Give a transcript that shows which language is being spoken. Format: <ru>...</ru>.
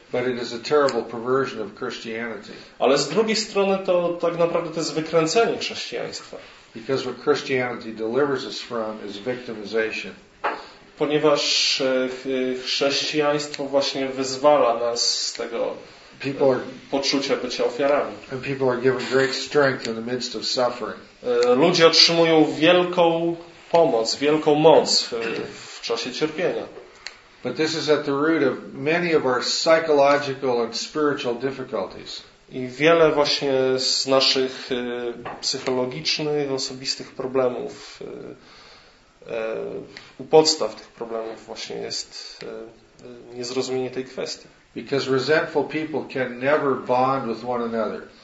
<en>But it is a terrible perversion of Christianity.</en> <pl>Ale z drugiej strony to tak naprawdę to jest wykręcenie chrześcijaństwa.</pl> <en>Because what Christianity delivers us from is victimization.</en> <pl>Ponieważ chrześcijaństwo właśnie wyzwala nas z tego poczucia bycia ofiarami.</pl> <en>And people are given great strength in the midst of suffering.</en> <pl>Ludzie otrzymują wielką pomoc, wielką moc w czasie cierpienia.</pl> <en>But this is at the root of many of our psychological and spiritual difficulties.</en> <pl>I wiele właśnie z naszych psychologicznych, osobistych problemów, u podstaw tych problemów właśnie jest niezrozumienie tej kwestii.</pl> <en>Because resentful people can never bond with one another.</en>